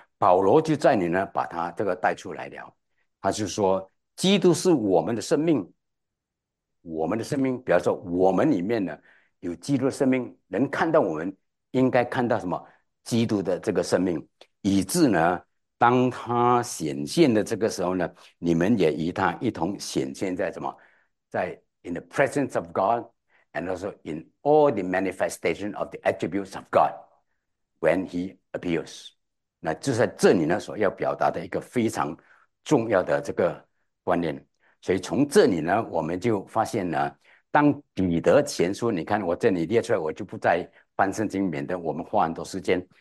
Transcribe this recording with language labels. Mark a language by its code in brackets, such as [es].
[zh] 保罗就在你呢把他这个带出来了，他就说基督是我们的生命，我们的生命，比方说我们里面呢有基督的生命，能看到我们应该看到什么？基督的这个生命，以致呢当他显现的这个时候呢，你们也与他一同显现在什么？在 [en] In the presence of God, and also in all the manifestation of the attributes of God when He appears. [zh] 那就在这里呢，所要表达的一个非常重要的这个观念。所以从这里呢，我们就发现呢，当彼得前书，你看我这里列出来，我就不再翻圣经，免得我们花很多时间。